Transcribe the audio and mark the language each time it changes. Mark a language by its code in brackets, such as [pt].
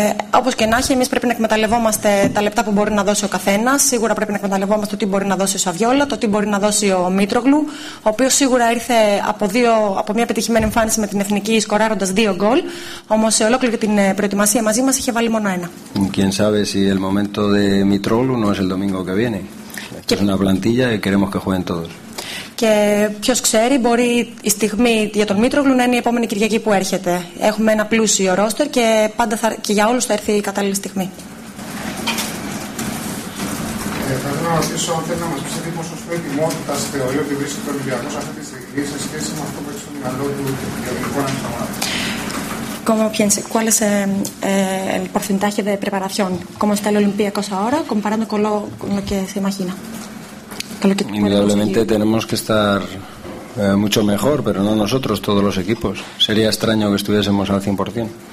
[el] Όπως και να έχει, εμείς πρέπει να εκμεταλλευόμαστε τα λεπτά που μπορεί να δώσει ο καθένας. Σίγουρα πρέπει να εκμεταλλευόμαστε το τι μπορεί να δώσει ο Σαβιόλα, το τι μπορεί να δώσει ο Μίτρογλου, ο οποίος σίγουρα ήρθε από μια πετυχημένη εμφάνιση με την εθνική, σκοράροντας δύο γκολ. Όμως σε ολόκληρη την προετοιμασία μαζί μας είχε βάλει μόνο ένα. [es] Quién sabe si el momento de Mitroglou no es el domingo que viene. Es una plantilla y queremos que jueguen todos. [el] Και ποιος ξέρει, μπορεί η στιγμή για τον Μίτρογλου να είναι η επόμενη Κυριακή που έρχεται. Έχουμε ένα πλούσιο ρόστερ και πάντα και για όλους θα έρθει η κατάλληλη στιγμή. Θέλω να ρωτήσω αν θέλει να μας πει σε τι ποσοστό ετοιμότητα θεωρεί ότι βρίσκεται ο Ολυμπιακός αυτή τη στιγμή σε σχέση με αυτό που έχει στο μυαλό του διαδικτυακό να ξαναμάθει. [es] Como piense, ¿cuál es el porcentaje de preparación? ¿Cómo está el Olympiacos ahora comparando con lo que se imagina? Indudablemente tenemos que estar mucho mejor, pero no nosotros, todos los equipos. Sería extraño que estuviésemos al 100%.